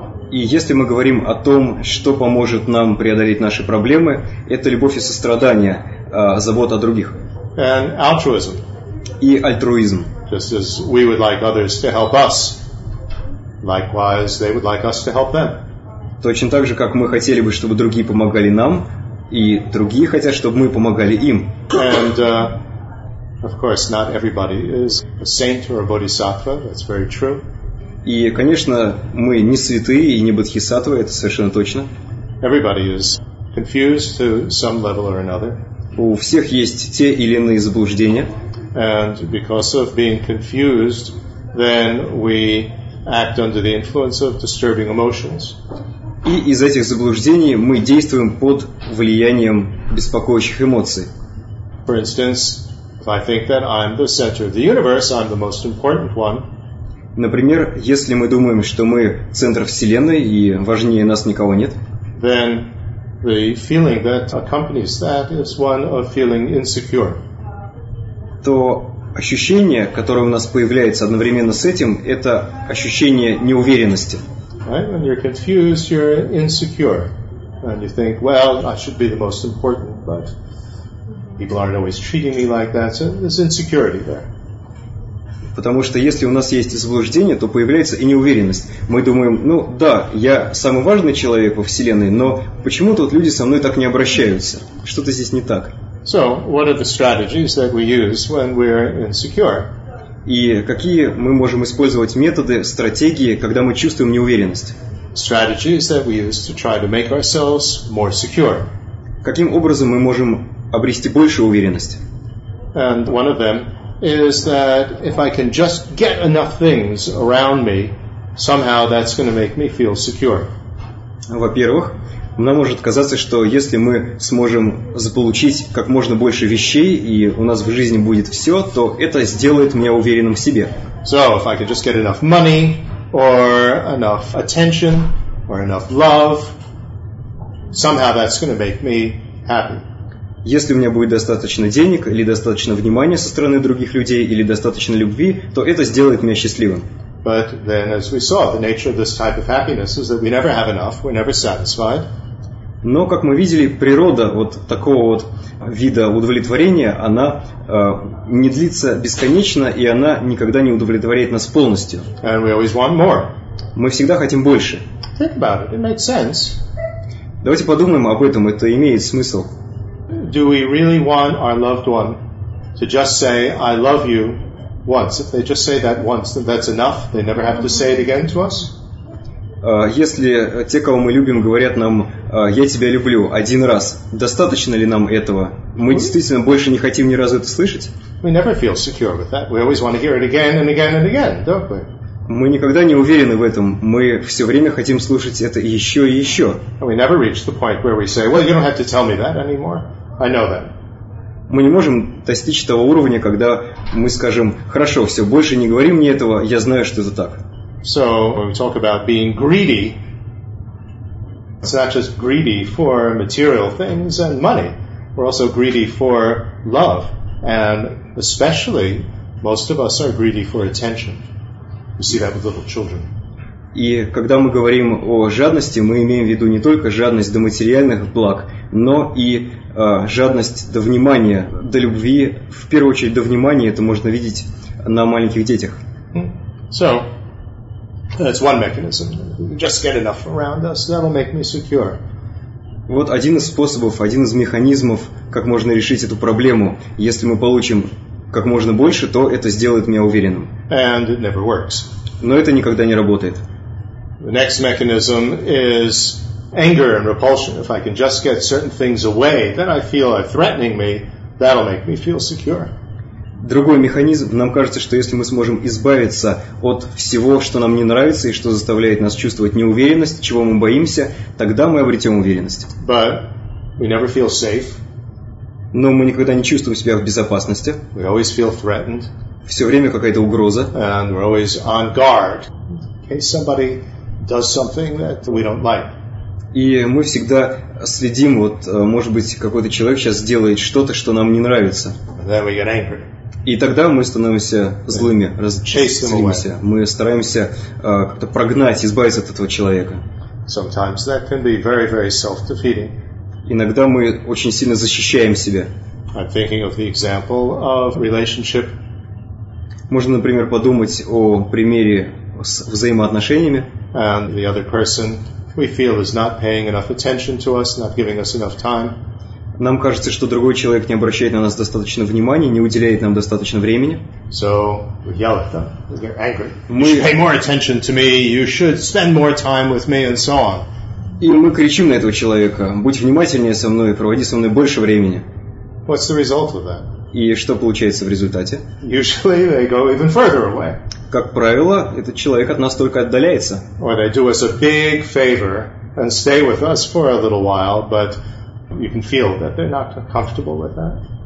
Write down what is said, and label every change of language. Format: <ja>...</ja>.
<ru>И если мы говорим о том, что поможет нам преодолеть наши проблемы, это любовь и сострадание, забота о других.</ru> <en>And altruism.</en> <ru>И альтруизм.</ru> <en>Just as we would like others to help us, likewise they would like us to help them.</en> <ru>Точно так же, как мы хотели бы, чтобы другие помогали нам, и другие хотят, чтобы мы помогали им.</ru> <en>And, of course, not everybody is a saint or a bodhisattva, that's very true.</en> <ru>И, конечно, мы не святые и не бодхисаттвы, это совершенно точно.</ru> <en>Everybody is confused to some level or another.</en> <ru>У всех есть те или иные заблуждения.</ru> <en>And because of being confused, then we act under the influence of disturbing emotions.</en> <ru>И из этих заблуждений мы действуем под влиянием беспокоящих эмоций.</ru> <en>For instance, if I think that I'm the center of the universe, I'm the most important one.</en> <ru>Например, если мы думаем, что мы центр Вселенной и важнее нас никого нет,</ru> <en>then the feeling that accompanies that is one of feeling insecure.</en> <ru>То ощущение, которое у нас появляется одновременно с этим, это ощущение неуверенности.</ru> <en>Right? When you're confused, you're insecure. And you think, well, I should be the most important, but people aren't always treating me like that, so there's insecurity there.</en> <ru>Потому что если у нас есть заблуждение, то появляется и неуверенность. Мы думаем, ну да, я самый важный человек во Вселенной, но почему тут люди со мной так не обращаются? Что-то здесь не так.</ru> <en>So, what are the strategies that we use when we're insecure?</en> <ru>И какие мы можем использовать методы, стратегии, когда мы чувствуем неуверенность?</ru> <en>Strategies that we use to try to make ourselves more secure.</en> <ru>Каким образом мы можем обрести больше уверенность?</ru> <en>And one of them is that if I can just get enough things around me, somehow that's going to make me feel secure.</en> <ru>Во-первых, нам может казаться, что если мы сможем заполучить как можно больше вещей, и у нас в жизни будет все, то это сделает меня уверенным в себе.</ru> <en>So, if I can just get enough money, or enough attention, or enough love, somehow that's going to make me happy.</en> <ru>Если у меня будет достаточно денег, или достаточно внимания со стороны других людей, или достаточно любви, то это сделает меня счастливым.</ru> <en>But then, as we saw, the nature of this type of happiness is that we never have enough, we're never satisfied.</en> <ru>Но, как мы видели, природа вот такого вот вида удовлетворения, она не длится бесконечно, и она никогда не удовлетворяет нас полностью.</ru> <en>And we always want more.</en> <ru>Мы всегда хотим больше.</ru> <en>Think about it. It makes sense.</en> <ru>Давайте подумаем об этом. Это имеет смысл.</ru> <en>Do we really want our loved one to just say, I love you, once? If they just say that once, then that's enough. They never have to say it again to us.</en> <ru>Если те, кого мы любим, говорят нам «я тебя люблю» один раз, достаточно ли нам этого? Мы действительно больше не хотим ни разу это слышать?</ru> <en>We never feel secure with that. We always want to hear it again and again and again, don't we?</en> <ru>Мы никогда не уверены в этом. Мы все время хотим слушать это еще и еще.</ru> <en>And we never reach the point where we say, well, you don't have to tell me that anymore. I know that.</en> <ru>Мы не можем достичь того уровня, когда мы скажем «хорошо, все, больше не говори мне этого, я знаю, что это так».</ru> <en>So, when we talk about being greedy, it's not just greedy for material things and money. We're also greedy for love. And especially, most of us are greedy for attention. We see that with little children.</en> <ru>И когда мы говорим о жадности, мы имеем в виду не только жадность до материальных благ, но и жадность до внимания, до любви. В первую очередь, до внимания это можно видеть на маленьких детях.</ru> <en>So, that's one mechanism. Just get enough around us, that'll make me secure.</en> <ru>Вот один из способов, один из механизмов, как можно решить эту проблему. Если мы получим как можно больше, то это сделает меня уверенным.</ru> <en>And it never works.</en> <ru>Но это никогда не работает.</ru> <en>The next mechanism is anger and repulsion. If I can just get certain things away, then I feel are threatening me, that'll make me feel secure.</en> <ru>другой механизм. Нам кажется, что если мы сможем избавиться от всего, что нам не нравится и что заставляет нас чувствовать неуверенность, чего мы боимся, тогда мы обретем уверенность.</ru> <en>But we never feel safe.</en> <ru>Но мы никогда не чувствуем себя в безопасности.</ru> <en>We always feel threatened.</en> <ru>Все время какая-то угроза.</ru> <en>And we're always on guard. Okay, somebody does something that we don't like.</en> <ru>И мы всегда следим, вот, может быть, какой-то человек сейчас сделает что-то, что нам не нравится.</ru> <en>And then we get angry.</en> <ru>И тогда мы становимся злыми, разочаровываемся. Мы стараемся как-то прогнать, избавиться от этого человека.</ru> <en>Sometimes that can be very, very self-defeating.</en> <ru>Иногда мы очень сильно защищаем себя.</ru> <en>I'm thinking of the example of relationship.</en> <ru>Можно, например, подумать о примере с взаимоотношениями.</ru> <en>And the other person we feel is not paying enough attention to us, not giving us enough time.</en> <ru>Нам кажется, что другой человек не обращает на нас достаточно внимания, не уделяет нам достаточно времени.</ru> <en>So we yell at them. We get angry. You should pay more attention to me. You should spend more time with me, and so on.</en> <ru>И мы кричим на этого человека: будь внимательнее со мной, проводи со мной больше времени.</ru> <en>What's the result of that?</en> <ru>И что получается в результате?</ru> <en>Usually they go even further away.</en> <ru>Как правило, этот человек от нас только отдаляется.</ru> <en>Or they do us a big favor and stay with us for a little while, but you can feel that they're not comfortable with that.</en>